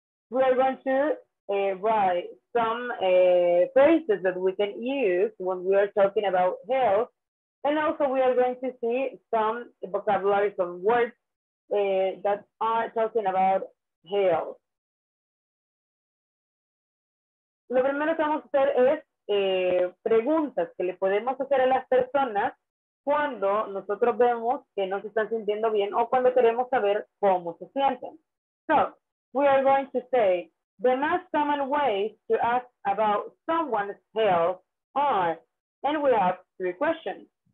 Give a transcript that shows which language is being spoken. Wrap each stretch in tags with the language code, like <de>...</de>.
<en>We are going to write some phrases that we can use when we are talking about health. And also we are going to see some vocabulary, some words that are talking about health.</en> <es>Lo primero que vamos a hacer es preguntas que le podemos hacer a las personas cuando nosotros vemos que no se están sintiendo bien o cuando queremos saber cómo se sienten.</es> <en>So, we are going to say, the most common ways to ask about someone's health are, and we have three questions.</en>